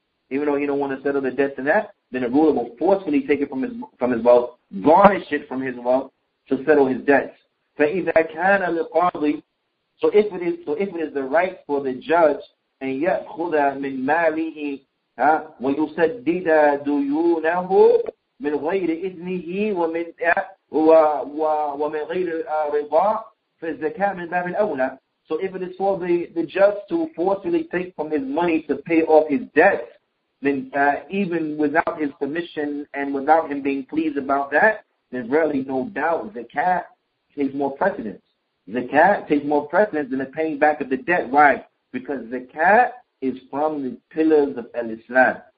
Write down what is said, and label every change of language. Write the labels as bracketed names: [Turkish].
[English] Even though he don't want to settle the debt to that, then the ruler will forcefully take it from his wealth, garnish it from his wealth, to settle his debts. [Arabic] فإذا كان لقاضي, [English] so if it is the right for the judge, [Arabic] أن يأخذ من ماله ويسدد ديونه من غير إذنه ومن غير رضا فالزكاة من باب الأولى. [English] So if it is for the judge to forcefully take from his money to pay off his debts, then even without his permission and without him being pleased about that, there's really no doubt zakat takes more precedence. Zakat takes more precedence than the paying back of the debt. Why? Because zakat is from the pillars of al-Islam.